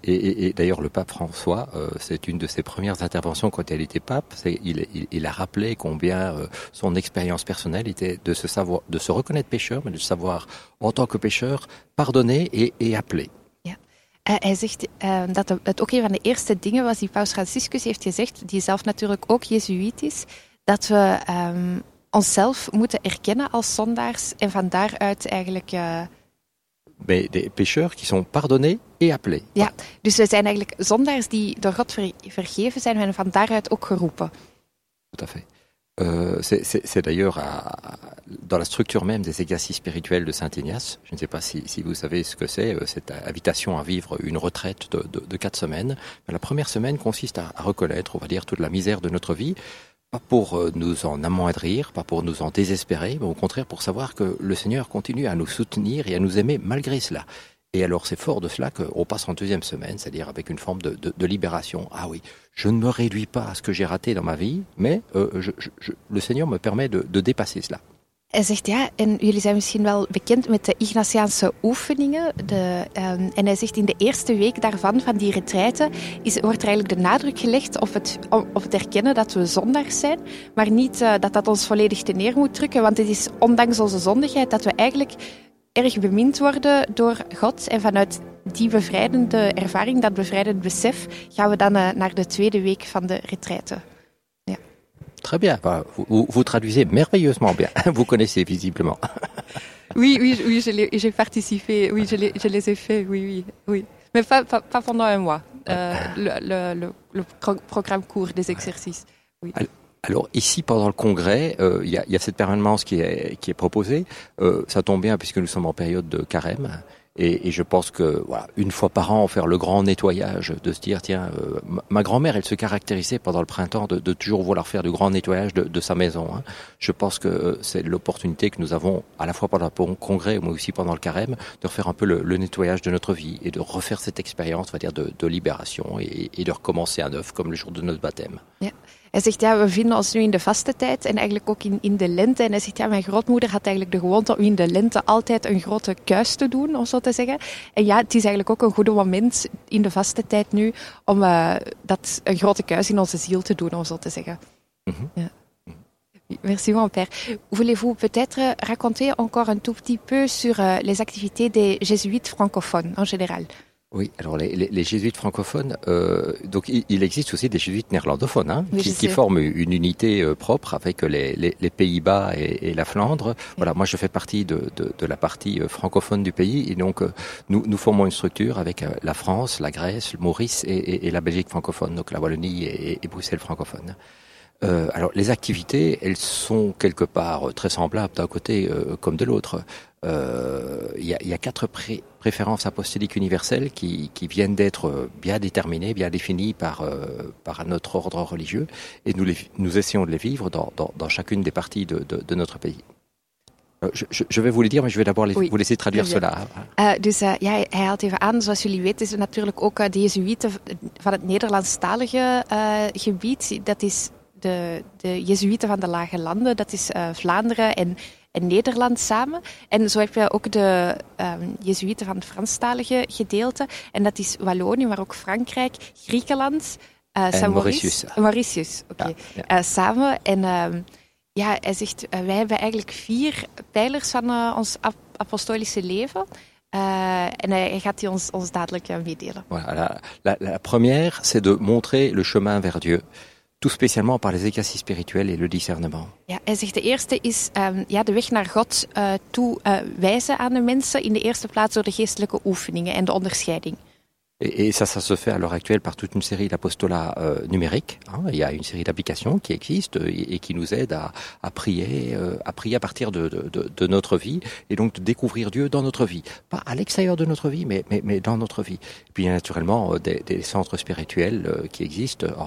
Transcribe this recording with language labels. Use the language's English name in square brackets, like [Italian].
[French] Et d'ailleurs, le pape François, c'est une de ses premières interventions quand il était pape. Il a rappelé combien son expérience personnelle était de se reconnaître pécheur, mais de savoir, en tant que pécheur, pardonner et appeler. [Dutch] Ja. Hij zegt dat het ook een van de eerste dingen was die paus Franciscus heeft gezegd, die zelf natuurlijk ook jezuïet is, dat we onszelf moeten erkennen als zondaars en van daaruit eigenlijk... [French] Mais des pécheurs qui sont pardonnés et appelés. [Dutch] Ja, dus we zijn eigenlijk zondaars die door God vergeven zijn en van daaruit ook geroepen. [French] Tout à fait. C'est d'ailleurs dans la structure même des exercices spirituels de Saint Ignace. Je ne sais pas si vous savez ce que c'est, cette invitation à vivre une retraite de 4 semaines. Mais la première semaine consiste à reconnaître, on va dire, toute la misère de notre vie. Pas pour nous en amoindrir, pas pour nous en désespérer, mais au contraire pour savoir que le Seigneur continue à nous soutenir et à nous aimer malgré cela. Et alors c'est fort de cela qu'on passe en deuxième semaine, c'est-à-dire avec une forme de libération. Ah oui, je ne me réduis pas à ce que j'ai raté dans ma vie, mais le Seigneur me permet de dépasser cela. [Dutch] Hij zegt ja, en jullie zijn misschien wel bekend met de Ignatiaanse oefeningen. En hij zegt in de eerste week daarvan, van die retraite, wordt er eigenlijk de nadruk gelegd op het erkennen dat we zondaars zijn. Maar niet dat ons volledig te neer moet drukken, want het is ondanks onze zondigheid dat we eigenlijk erg bemind worden door God. En vanuit die bevrijdende ervaring, dat bevrijdend besef, gaan we dan naar de tweede week van de retraite. [French] Très bien, vous traduisez merveilleusement bien, vous connaissez visiblement. Oui, j'ai participé, oui, je les ai fait, oui. Mais pas pendant un mois, le programme court des exercices. Oui. Alors ici, pendant le congrès, il y a cette permanence qui est proposée. Ça tombe bien puisque nous sommes en période de carême Et je pense que, voilà, une fois par an, faire le grand nettoyage, de se dire, tiens, ma grand-mère, elle se caractérisait pendant le printemps de toujours vouloir faire du grand nettoyage de sa maison. Hein. Je pense que c'est l'opportunité que nous avons, à la fois pendant le congrès, mais aussi pendant le carême, de refaire un peu le nettoyage de notre vie et de refaire cette expérience, on va dire, de libération et de recommencer à neuf, comme le jour de notre baptême. [Dutch] Ja. Hij zegt, ja, we vinden ons nu in de vaste tijd en eigenlijk ook in de lente. En hij zegt, ja, mijn grootmoeder had eigenlijk de gewoonte om in de lente altijd een grote kuis te doen, om zo te zeggen. En ja, het is eigenlijk ook een goede moment in de vaste tijd nu om dat een grote kuis in onze ziel te doen, om zo te zeggen. [French] Mm-hmm. [Dutch] Ja. [French] Merci, mon père. Voulez-vous peut-être raconter encore un tout petit peu sur les activités des jésuites francophones en général? Oui, alors les jésuites francophones, donc il existe aussi des jésuites néerlandophones, hein, oui, qui forment une unité propre avec les Pays-Bas et la Flandre. Oui. Voilà, moi je fais partie de la partie francophone du pays, et donc nous formons une structure avec la France, la Grèce, le Maurice et la Belgique francophone, donc la Wallonie et Bruxelles francophone. Alors les activités, elles sont quelque part très semblables d'un côté comme de l'autre. Il y a quatre préférences apostoliques universelles qui viennent d'être bien déterminées, bien définies par notre ordre religieux, et nous essayons de les vivre dans chacune des parties de notre pays. Je vais vous le dire, mais je vais d'abord vous laisser traduire cela. [Dutch] Hij haalt even aan, zoals jullie weten, is het natuurlijk ook de jezuïeten van het Nederlandstalige gebied. Dat is de jezuïeten van de Lage Landen, dat is Vlaanderen en Nederland samen. En zo heb je ook de jezuïeten van het Franstalige gedeelte. En dat is Wallonië, maar ook Frankrijk, Griekenland, Saint-Mauritius. Mauritius, oké. Okay. Ja, ja. Samen. En hij zegt, wij hebben eigenlijk vier pijlers van ons apostolische leven. En hij gaat die ons dadelijk meedelen. [French] Voilà, la première, c'est de montrer le chemin vers Dieu. Tout spécialement par les exercices spirituels et le discernement. [Dutch] Ja, hij zegt de eerste is de weg naar God toe wijzen aan de mensen in de eerste plaats door de geestelijke oefeningen en de onderscheiding. [French] Et ça se fait à l'heure actuelle par toute une série d'apostolats numériques. Hein. Il y a une série d'applications qui existent et qui nous aident à prier à partir de notre vie et donc de découvrir Dieu dans notre vie. Pas à l'extérieur de notre vie, mais dans notre vie. Et puis il y a naturellement des centres spirituels qui existent.